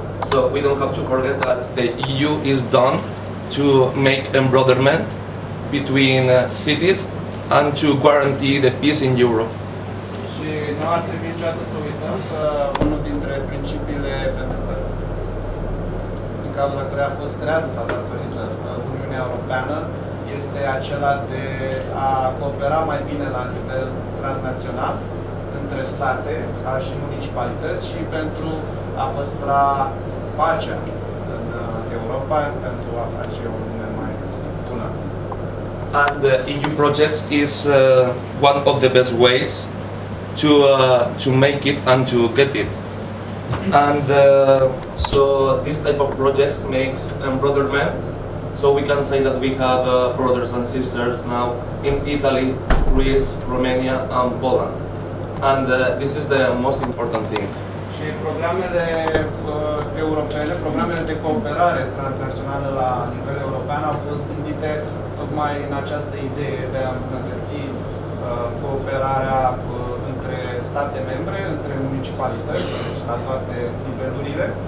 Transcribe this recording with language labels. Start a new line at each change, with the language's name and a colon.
English: So we don't have to forget that the EU is done to make embroderment between cities and to guarantee the peace in Europe.
Romanian: Și nu ar trebui niciodată să uităm că unul dintre principiile din cauza la care a fost creată sau datorită Uniunea Europeană este acela de a coopera mai bine la nivel transnațional între state, ca și municipalități, și pentru a păstra pacea în Europa, pentru a face o lume mai bună.
English: And the EU project is one of the best ways to make it and to get it. And so this type of project makes embroderment. So we can say that we have brothers and sisters now in Italy, Greece, Romania, and Poland. And this is the most important thing.
Romanian: Și programele europene, programele de cooperare transnațională la nivel european au fost gândite tocmai în această idee de a îmbunătăți cooperarea între state membre, între municipalități, deci la toate nivelurile.